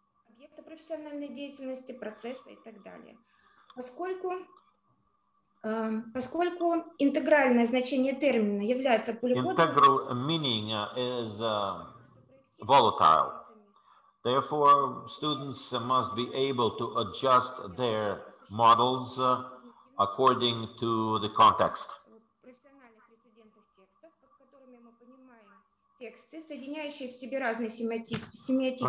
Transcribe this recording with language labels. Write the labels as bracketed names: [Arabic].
[Russian] Объекта профессиональной деятельности, процесса и так далее. Поскольку интегральное значение термина является поливодным. [English] Integral meaning is volatile. Therefore, students must be able to adjust their models according to the context. [Russian] Профессиональных прецедентных текстов, под которыми мы понимаем тексты, соединяющие в себе разные семиотические.